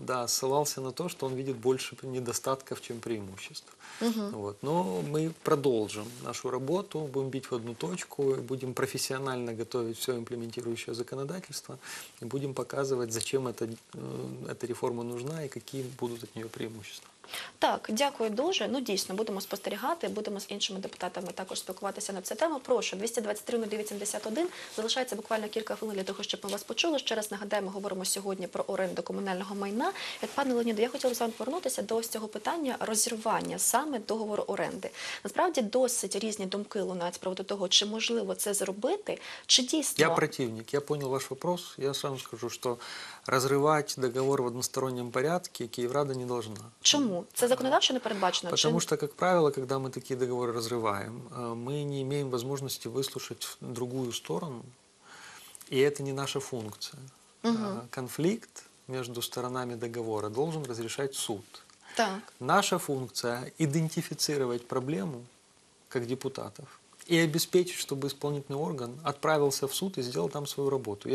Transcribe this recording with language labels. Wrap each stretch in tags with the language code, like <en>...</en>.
<ru>Да, ссылался на то, что он видит больше недостатков, чем преимуществ. Вот. Но мы продолжим нашу работу, будем бить в одну точку, будем профессионально готовить все имплементирующее законодательство и будем показывать, зачем эта реформа нужна и какие будут от нее преимущества.</ru> <uk>Так, дякую дуже. Ну, дійсно, будемо спостерігати, будемо з іншими депутатами також спілкуватися на цю тему. Прошу, 223-081. Залишається буквально кілька хвилин для того, щоб ми вас почули. Ще раз нагадаємо, говоримо сьогодні про оренду комунального майна. Пане Леоніде, я хотіла з вами повернутися до ось цього питання розірвання саме договору оренди. Насправді, досить різні думки лунають з приводу того, чи можливо це зробити, чи дійсно... Я противник, я зрозумів ваш</uk> <ru>вопрос.</ru> <uk>Я сам скажу, що розривати договор в односторонньому порядку Київрада не повинна. Це законодавчо не передбачено?</uk> <ru>Потому что, как правило, когда мы такие договоры разрываем, мы не имеем возможности выслушать другую сторону, и это не наша функция. Конфликт между сторонами договора должен разрешать суд. Так. Наша функция – идентифицировать проблему, как депутатов, и обеспечить, чтобы исполнительный орган отправился в суд и сделал там свою работу.</ru>